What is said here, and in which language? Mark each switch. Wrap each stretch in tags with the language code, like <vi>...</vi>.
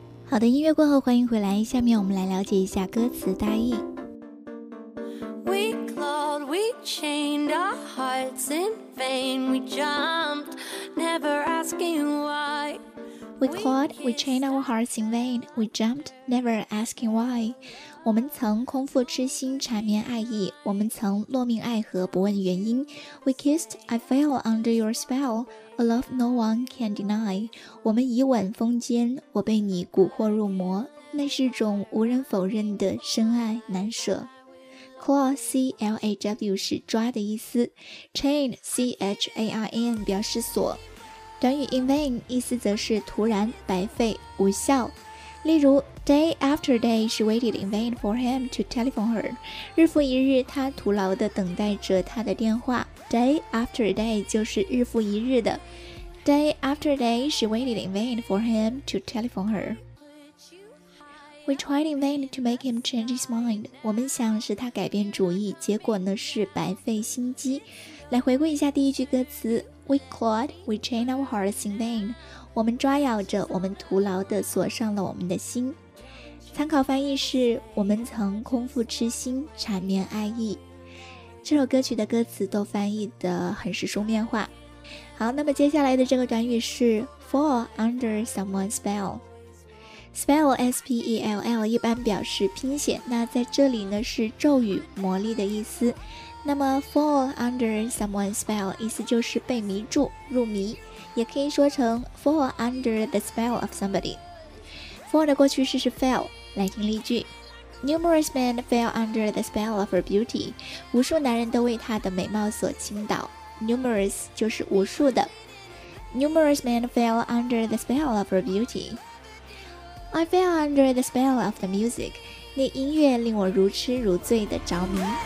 <zh>好的，音乐过后欢迎回来，下面我们来了解一下歌词大意。</zh> <en>We clawed, we chained our hearts in vain, we jumped, never asking why. We clawed, we chained our hearts in vain, we jumped, never asking why.</en> <zh>我们曾空腹痴心缠绵爱意，我们曾落命爱河不问原因。</zh> <en>We kissed, I fell under your spell, a love no one can deny.</en> <zh>我们以吻封缄，我被你蛊惑入魔，那是种无人否认的深爱难舍。 Claw, C-L-A-W 是抓的意思， Chain, C-H-A-R-N 表示锁。短语 in vain 意思则是突然、白费、无效。</zh> <en>例如 ,day after day, she waited in vain for him to telephone her.</en> <zh>日复一日她徒劳地等待着他的电话。</zh> <en>day after day</en> <zh>就是日复一日的。</zh> <en>day after day, she waited in vain for him to telephone her. We tried in vain to make him change his mind.</en> <zh>我们想使他改变主意，结果呢是白费心机。来回顾一下第一句歌词。</zh> <en>We clawed, we chained our hearts in vain.</en> <zh>我们抓咬着，我们徒劳地锁上了我们的心。参考翻译是：我们曾空腹痴心，缠绵爱意。这首歌曲的歌词都翻译得很是书面化。好，那么接下来的这个短语是</zh> <en>fall under someone's spell。</en> <zh>Spell, S-P-E-L-L, 一般表示拼写，那在这里呢是咒语、魔力的意思。那么</zh> <en>fall under someone's spell</en> <zh>意思就是被迷住、入迷，也可以说成</zh> <en>fall under the spell of somebody。</en> <zh>fall 的过去式是 fell。来听例句。</zh> <en>Numerous men fell under the spell of her beauty，</en> <zh>无数男人都为她的美貌所倾倒。 Numerous 就是无数的。</zh> <en>Numerous men fell under the spell of her beauty。 I fell under the spell of the music，</en> <zh>那音乐令我如痴如醉的着迷。</zh>